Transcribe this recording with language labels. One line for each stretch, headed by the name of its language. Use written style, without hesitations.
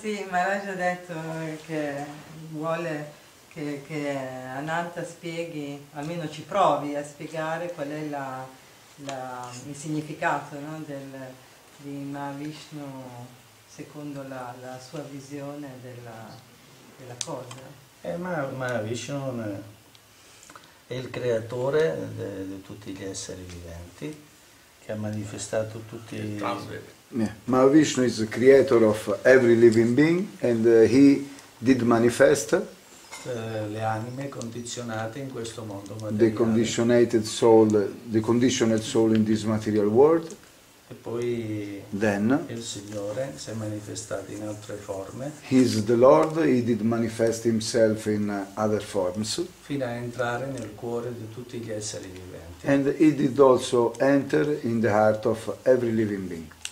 Italian: Sì, Maharaj ha detto che vuole che Ananta spieghi, almeno ci provi a spiegare qual è il significato, no, di Mahavishnu secondo la sua visione della cosa. Mahavishnu è il creatore di tutti gli esseri viventi, che ha manifestato tutti.
English: Mahavishnu is the creator of every living being and he did manifest
Italian: le anime condizionate in questo mondo materiale.
English: The conditioned soul, the conditioned soul in this material world.
Italian: E poi
English: then
Italian: il Signore si è manifestato in altre forme.
English: He is the Lord, he did manifest himself in other forms.
Italian: Fino a entrare nel cuore di tutti gli esseri viventi.
English: And he did also enter in the heart of every living being.